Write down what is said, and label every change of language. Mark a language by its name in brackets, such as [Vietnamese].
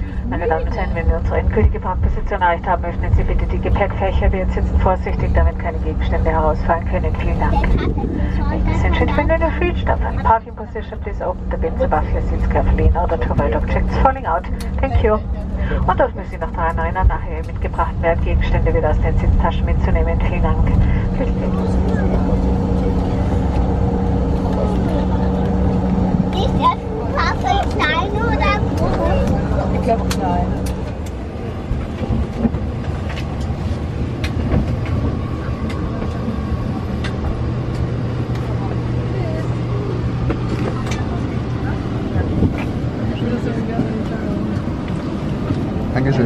[German] Meine Damen und Herren, wenn wir unsere endgültige Parkposition erreicht haben, öffnen Sie bitte die Gepäckfächer. Wir sitzen vorsichtig, damit keine Gegenstände herausfallen können. Vielen Dank. [English] Ladies and gentlemen, when you've reached our parking position, please open the bins above your seats carefully in order to avoid objects falling out. Thank you. [German] Und dort müssen Sie noch daran erinnern, nachher Ihre mitgebrachten Wertgegenstände wieder aus den Sitztaschen mitzunehmen. Vielen Dank. Dankeschön.